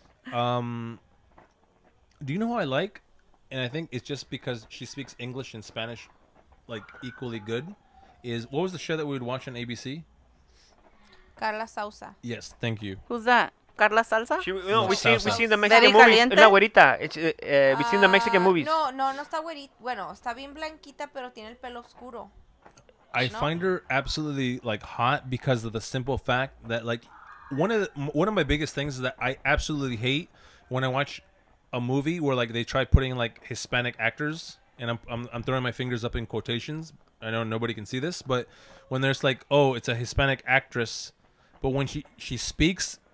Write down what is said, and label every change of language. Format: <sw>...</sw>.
<en>Do you know who I like? And I think it's just because she speaks English and Spanish, like equally good is what was the show that we would watch on ABC? Carla Sousa. Yes, thank you. Who's that? Carla Salsa? We've seen the Mexican movies.</en> <es>La güerita.</es> <en>We've seen the Mexican movies.</en> <es>No, está güerita. Bueno, está bien blanquita, pero tiene el pelo oscuro.</es> <en>I find her absolutely, like, hot because of the simple fact that, like, one of my biggest things is that I absolutely hate when I watch a movie where, like, they try putting, like, Hispanic actors, and I'm throwing my fingers up in quotations. I know nobody can see this, but when there's, like, oh, it's a Hispanic actress, but when she speaks...</en>